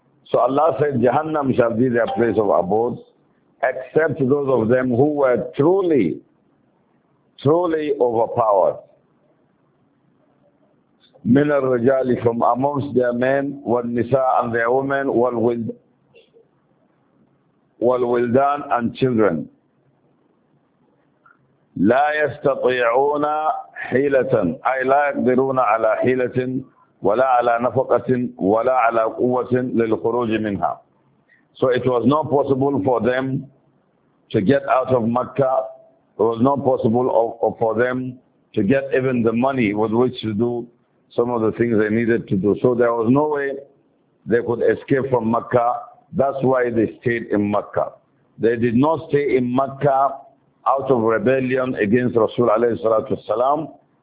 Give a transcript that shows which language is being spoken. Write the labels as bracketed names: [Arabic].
[English] So Allah said, Jahannam shall be their place of abode, except those of them who were truly, truly overpowered. [Arabic] Min al-rajali, [English] from amongst their men, [Arabic] wal nisa, [English] and their women, [Arabic] wal wildan, [English] and children. [Arabic] لا يستطيعون حيلة أي لا يقدرون على حيلة ولا على نفقة ولا على قوة للخروج منها. [English] So it was not possible for them to get out of Mecca. It was not possible for them to get even the money with which to do some of the things they needed to do. So there was no way they could escape from Mecca. That's why they stayed in Mecca. They did not stay in Mecca out of rebellion against Rasul alayhi salatu wasalam.